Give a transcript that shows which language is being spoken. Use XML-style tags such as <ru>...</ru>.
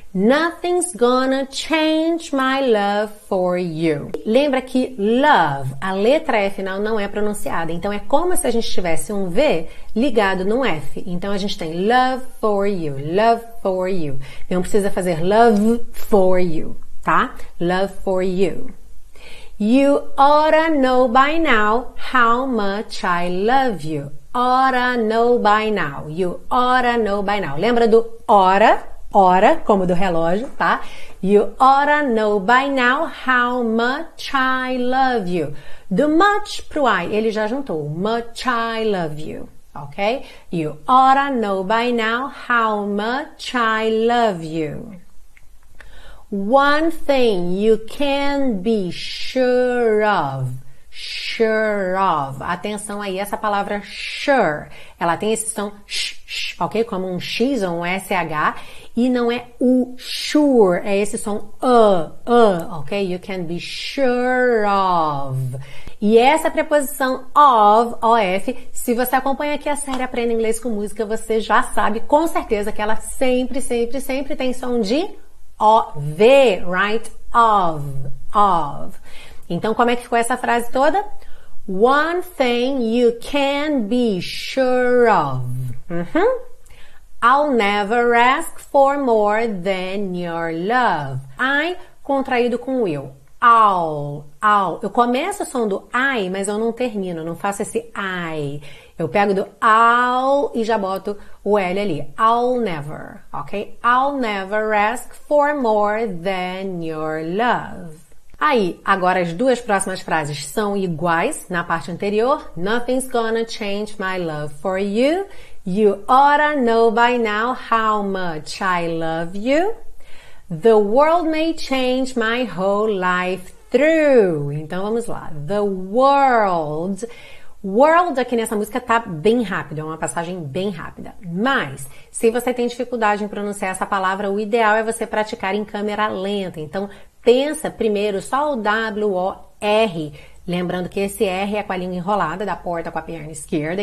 <en>Nothing's gonna change my love for you.</en> <pt>Lembra que love, a letra F final não é pronunciada. Então é como se a gente tivesse um V ligado num F. Então a gente tem</pt> <en>love for you, love for you.</en> <pt>Não precisa fazer</pt> <en>love for you,</en> <pt>tá?</pt> <en>Love for you. You oughta know by now how much I love you. Oughta know by now. You oughta know by now.</en> <pt>Lembra do oughta? Hora, como do relógio, tá?</pt> <en>You oughta know by now how much I love you.</en> <pt>Do much pro I, ele já juntou.</pt> <en>Much I love you, ok? You oughta know by now how much I love you. One thing you can be sure of. Sure of.</en> <pt>Atenção aí, essa palavra sure, ela tem esse som sh, ok? Como um X ou um SH. E não é o sure, é esse som ok?</pt> <en>You can be sure of.</en> <pt>E essa preposição of, O-F, se você acompanha aqui a série Aprenda Inglês com Música, você já sabe com certeza que ela sempre, sempre, sempre tem som de O-V, right? Of, of. Então, como é que ficou essa frase toda?</pt> <en>One thing you can be sure of. Uhum. I'll never ask for more than your love. I</en> <pt>contraído com</pt> <en>will. I'll.</en> <pt>Eu começo o som do I, mas eu não termino, não faço esse I. Eu pego do I'll e já boto o L ali.</pt> <en>I'll never, ok? I'll never ask for more than your love.</en> <pt>Aí, agora as duas próximas frases são iguais na parte anterior.</pt> <en>Nothing's gonna change my love for you. You oughta know by now how much I love you. The world may change my whole life through.</en> <pt>Então vamos lá.</pt> <en>The world.</en> <pt>World aqui nessa música tá bem rápido, é uma passagem bem rápida. Mas, se você tem dificuldade em pronunciar essa palavra, o ideal é você praticar em câmera lenta. Então, pensa primeiro só o W-O-R. Lembrando que esse R é com a língua enrolada da porta com a perna esquerda.</pt>